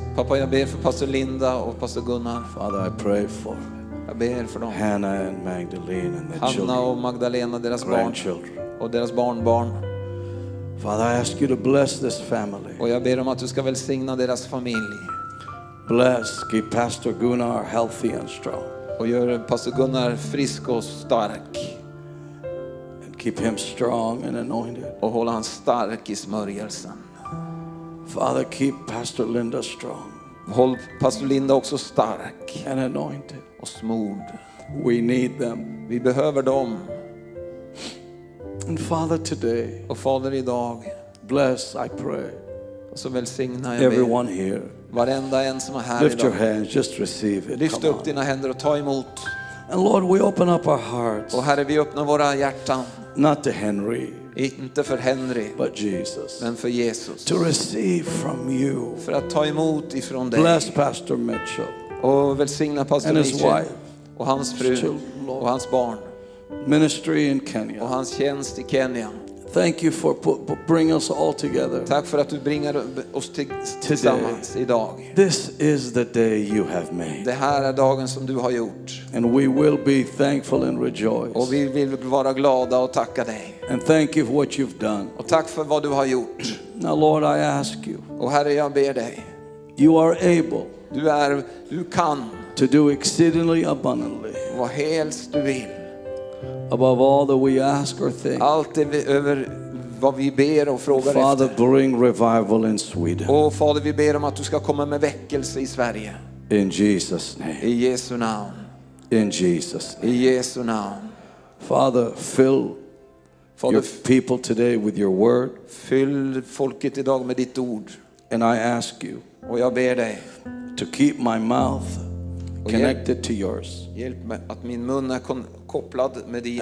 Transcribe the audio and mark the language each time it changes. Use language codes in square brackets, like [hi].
[sv] Pappa, jag ber för Pastor Linda och Pastor Gunnar. [en] Father, I pray for Hannah and Magdalene and their children. [sv] Hanna och Magdalena, deras [en] grandchildren. [sv] Barn och deras barnbarn. [en] Father, I ask you to bless this family. [sv] Och jag ber om att du ska välsigna deras familj. [en] Bless, keep Pastor Gunnar healthy and strong. [sv] Och gör Pastor Gunnar frisk och stark. [en] And keep him strong and anointed. [sv] Och håll han stark i smörjelsen. [en] Father, keep Pastor Linda strong. [sv] Håll Pastor Linda också stark. [en] And anointed. [sv] Och smord. [en] We need them. [sv] Vi behöver dem. [en] And Father, today. [sv] Och Fader idag. [en] Bless, I pray. [sv] Och så välsigna jag [en] everyone here. [sv] Varenda en som är här. [en] Lift your hands, just receive it. [sv] Lyft upp dina händer och ta emot. [en] And Lord, we open up our hearts. [sv] Och Herre, vi öppnar våra hjärtan. [en] Not to Henry. [sv] Inte för Henry, [en] but Jesus. [sv] Men för Jesus. [en] To receive from you. [sv] För att ta emot ifrån dig. [en] Bless Pastor Mitchell. [sv] Och välsigna Pastor [en] and his Mitchell. Wife. [sv] Och hans fru. [en] Lord. [sv] Och hans barn. [en] Ministry in Kenya. [sv] Och hans tjänst i Kenya. [en] Thank you for bring us all together. [sv] Tack för att du bringar oss tillsammans idag. [en] This is the day you have made. [sv] Det här är dagen som du har gjort. [en] And we will be thankful and rejoice. [sv] Och vi vill vara glada och tacka dig. [en] And thank you for what you've done. [sv] Och tack för vad du har gjort. [en] Now Lord, I ask you. [sv] Och Herre, jag ber dig. [en] You are able. [sv] Du kan. [en] To do exceedingly abundantly. [sv] Vad helst du vill. [en] Above all that we ask or think. [sv] Allt över vad vi ber och frågar efter. [en] Father, bring revival in Sweden. [sv] Och Fader, vi ber om att du ska komma med väckelse i Sverige. [en] In Jesus name. [sv] I Jesu namn. [en] In Jesus name. [sv] I Jesu namn. [en] Father, fill Father, your people today with your word. [sv] Fyll folket idag med ditt ord. [en] And I ask you. [sv] Och jag ber dig. [en] To keep my mouth connected to yours. [sv] Hjälp mig att min mun är kopplad med din.